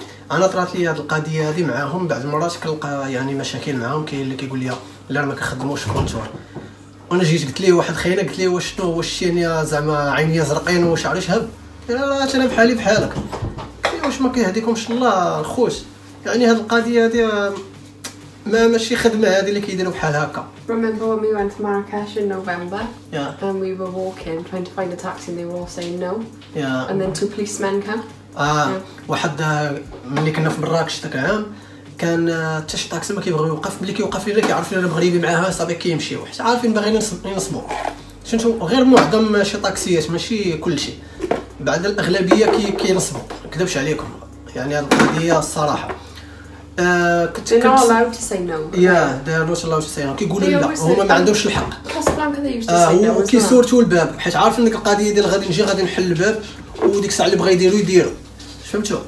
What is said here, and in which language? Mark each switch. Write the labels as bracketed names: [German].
[Arabic] انا طرات لي هذه القضيه هذه معاهم بعض المرات كنلقى يعني مشاكل معاهم كاين اللي كيقول لي لا ما كنخدموش كونتور. انا جيت قلت ليه واحد خينا قلت ليه واش شنو واش يعني زعما عيني زرقين وشعري شهب لا لا انا بحالي بحالك واش ما كيهديكمش الله الخوت يعني هذه القضيه هذه ما ماشي خدمه هذه اللي كيديروا بحال هكا. [English] Remember when we went to Marrakesh in November? Yeah. And we were walking, trying to find a taxi, and they were all saying no. Yeah. And then two policemen came. [Arabic] واحد ملي كنا في مراكش ذاك العام كان تش طاكسي ما كيبغي يوقف ملي كيوقف لينا كيعرف لينا المغربي معاها صافي كيمشيو حيت عارفين باغيين نصبو شنتو غير معظم شي طاكسيات ماشي كلشي بعد الاغلبيه كينصبو كذبش عليكم يعني هاد القضيه الصراحه. [English] They're not allowed to say no. Yeah, they're not allowed to say no. [Arabic] كيقولوا لا هما ما عندهمش الحق. [English] Casablanca they used to say no. [Arabic] وكيسورتوا الباب حيت عارف انك القضيه ديال غادي نجي غادي نحل الباب وديك الساعه اللي بغى يديروا يديروا فهمتوا.